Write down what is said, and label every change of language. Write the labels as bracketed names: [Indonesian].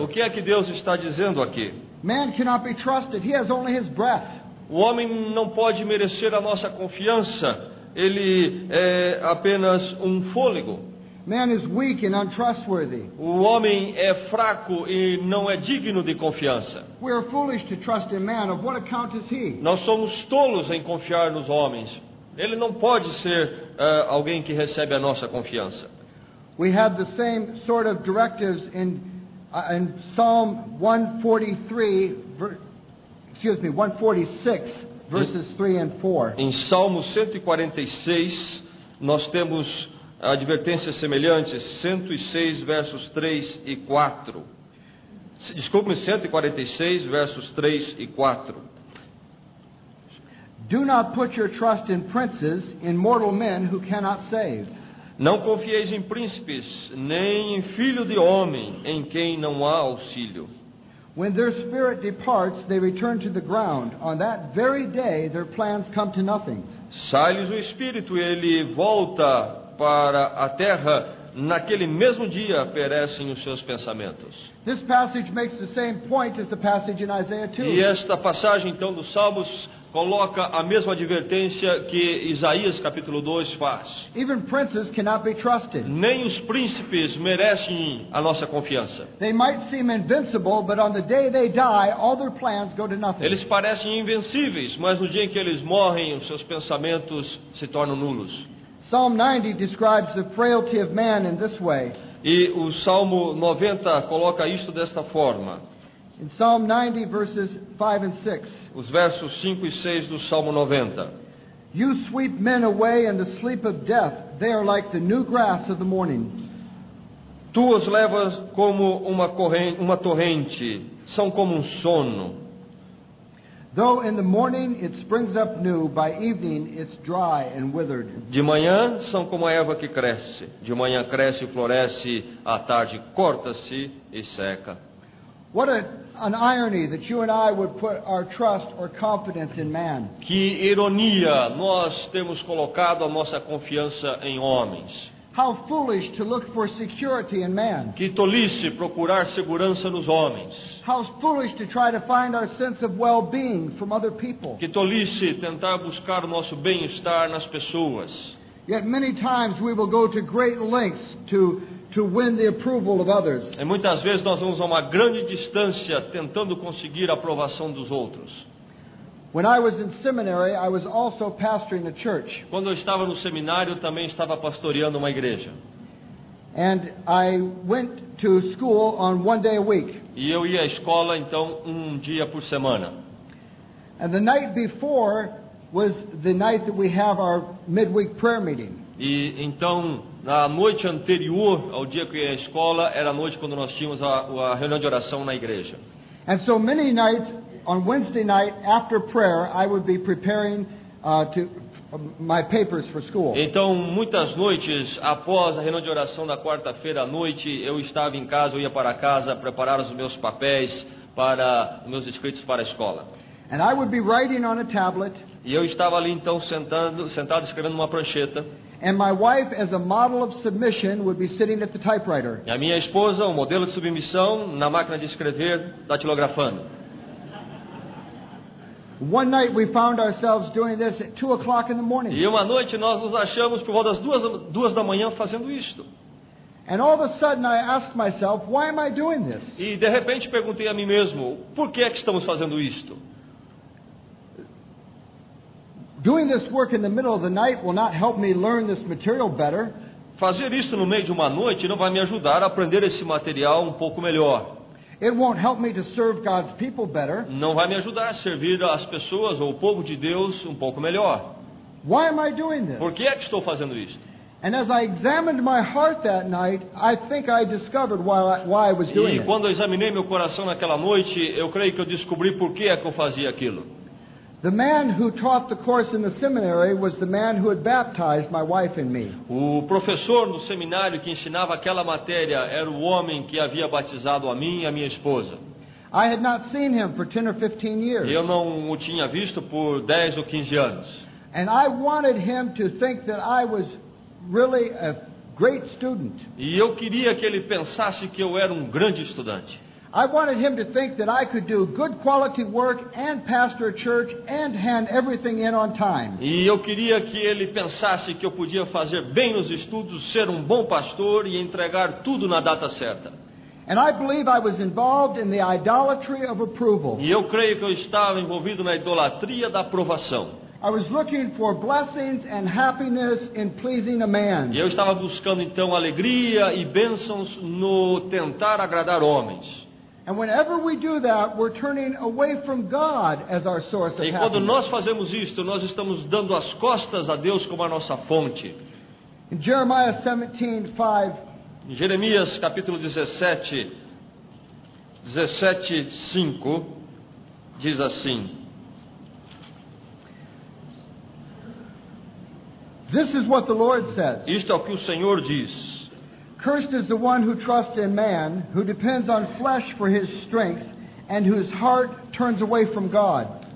[Portuguese] O que é que Deus está dizendo aqui? [English] Man cannot be trusted. He has only his breath. [Portuguese] O homem não pode merecer a nossa confiança. Ele é apenas um fôlego. [English] Man is weak and untrustworthy. [Portuguese] O homem é fraco e não é digno de confiança. [English] We are foolish to trust in man. Of what account is he? [Portuguese] Nós somos tolos em confiar nos homens. Ele não pode ser alguém que recebe a nossa confiança. [English] We have the same sort of directives in Psalm 146, verses 3 and 4. [Portuguese] Em Salmo 146, nós temos advertências semelhantes, 106, versos 3 e 4. Desculpe, 146, versos 3 e 4. [English] Do not put your trust in princes, in mortal men who cannot save. [Portuguese] Não confieis em príncipes, nem em filho de homem, em quem não há auxílio. [English] When their spirit departs, they return to the ground. On that very day, their plans come to nothing. [Portuguese] Sai-lhes o espírito, e ele volta para a terra. Naquele mesmo dia perecem os seus pensamentos. [English] This passage makes the same point as the passage in Isaiah 2. [Portuguese] E esta passagem, então, dos Salmos coloca a mesma advertência que Isaías capítulo 2 faz. [English] Even princes cannot be trusted. [Portuguese] Nem os príncipes merecem a nossa confiança. [English] They might seem invincible, but on the day they die, all their plans go to nothing. [Portuguese] Eles parecem invencíveis, mas no dia em que eles morrem, os seus pensamentos se tornam nulos. [English] Psalm 90 describes the frailty of man in this way. [Portuguese] E o Salmo 90 coloca isto desta forma. [English] In Psalm 90, verses 5 and 6. [Portuguese] Os versos 5 e 6 do Salmo 90. [English] You sweep men away in the sleep of death. They are like the new grass of the morning. [Portuguese] Tu os levas como uma torrente. São como sono. [English] Though in the morning it springs up new, by evening it's dry and withered. [Portuguese] De manhã são como a erva que cresce. De manhã cresce e floresce. À tarde corta-se e seca. [English] What an irony that you and I would put our trust or confidence in man. [Portuguese] Que ironia, nós temos colocado a nossa confiança em homens. [English] How foolish to look for security in man. [Portuguese] Que tolice procurar segurança nos homens. [English] How foolish to try to find our sense of well-being from other people. [Portuguese] Que tolice tentar buscar o nosso bem-estar nas pessoas. [English] Yet many times we will go to great lengths to win the approval of others. [Portuguese] E muitas vezes nós vamos a uma grande distância tentando conseguir a aprovação dos outros. [English] When I was in seminary, I was also pastoring a church. [Portuguese] Quando eu estava no seminário, também estava pastoreando uma igreja. [English] And I went to school on one day a week. [Portuguese] E eu ia à escola então dia por semana. [English] And the night before was the night that we have our midweek prayer meeting. [Portuguese] E então na noite anterior ao dia que eu ia à escola era a noite quando nós tínhamos a reunião de oração na igreja. [English] And so many nights on Wednesday night after prayer I would be preparing to my papers for school. [Portuguese] Então, muitas noites após a reunião de oração da quarta-feira à noite, eu estava em casa, eu ia para casa preparar os meus papéis para os meus escritos para a escola. [English] And I would be writing on a tablet. [Portuguese] E eu estava ali então sentado escrevendo numa prancheta. [English] And my wife, as a model of submission, would be sitting at the typewriter. [Portuguese] E a minha esposa, um modelo de submissão, na máquina de escrever, datilografando. [English] One night we found ourselves doing this at 2 o'clock in the morning. [Portuguese] E uma noite nós nos achamos por volta das duas da manhã fazendo isto. [English] And all of a sudden I asked myself, why am I doing this? [Portuguese] E de repente perguntei a mim mesmo, por que é que estamos fazendo isto? [English] Doing this work in the middle of the night will not help me learn this material better. [Portuguese] Fazer isto no meio de uma noite não vai me ajudar a aprender esse material um pouco melhor. [English] It won't help me to serve God's people better. [Portuguese] Não vai me ajudar a servir as pessoas ou o povo de Deus um pouco melhor. [English] Why am I doing this? [Portuguese] Por que é que estou fazendo isto? [English] And as I examined my heart that night, I think I discovered why I was doing it. [Portuguese] E quando eu examinei meu coração naquela noite, eu creio que eu descobri por que é que eu fazia aquilo. [English] The man who taught the course in the seminary was the man who had baptized my wife and me. [Portuguese] O professor no seminário que ensinava aquela matéria era o homem que havia batizado a mim e a minha esposa. [English] I had not seen him for 10 or 15 years. [Portuguese] Eu não o tinha visto por 10 ou 15 anos. [English] And I wanted him to think that I was really a great student. [Portuguese] E eu queria que ele pensasse que eu era um grande estudante. [English] I wanted him to think that I could do good quality work and pastor a church and hand everything in on time. [Portuguese] E eu queria que ele pensasse que eu podia fazer bem nos estudos, ser um bom pastor e entregar tudo na data certa. [English] And I believe I was involved in the idolatry of approval. [Portuguese] E eu creio que eu estava envolvido na idolatria da aprovação. [English] I was looking for blessings and happiness in pleasing a man. [Portuguese] E eu estava buscando então alegria e bênçãos no tentar agradar homens. [English] And whenever we do that, we're turning away from God as our source of happiness. [Portuguese] E quando nós fazemos isto, nós estamos dando as costas a Deus como a nossa fonte. [English] In Jeremiah 17:5. [Portuguese] Em Jeremias capítulo 17:5 diz assim: [English] This is what the Lord says. [Portuguese] Isto é o que o Senhor diz. [English] Cursed is the one who trusts in man, who depends on flesh for his strength, and whose heart turns away from God.